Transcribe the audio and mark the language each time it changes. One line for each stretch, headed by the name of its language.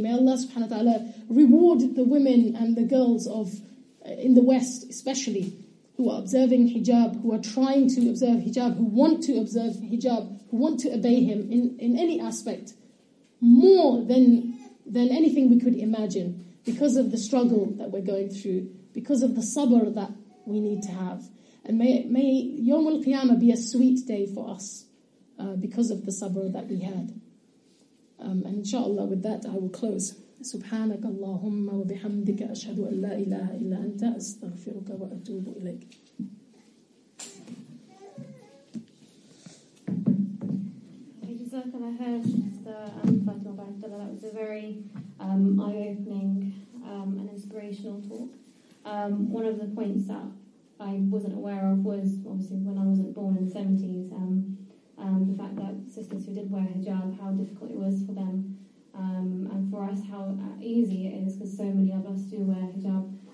English: May Allah subhanahu wa ta'ala reward the women and the girls of in the West especially, who are observing hijab, who are trying to observe hijab, who want to observe hijab, who want to obey him in any aspect, more than anything we could imagine, because of the struggle that we're going through, because of the sabr that we need to have. And may Yawm al-Qiyamah be a sweet day for us, because of the sabr that we had. And inshallah, with that, I will close.
Arabic: سبحانك اللهم وبحمدك أشهد أن لا إله إلا أنت أستغفرك وأتوب إليك. جزاك الله خير سيستر أم فاطمة عبد الله.
English: That was a very eye-opening and inspirational talk. One of the points that I wasn't aware of was obviously when I wasn't born in the 70s, the fact that sisters who did wear hijab, how difficult it was for them. And for us, how easy it is, because so many of us do wear hijab.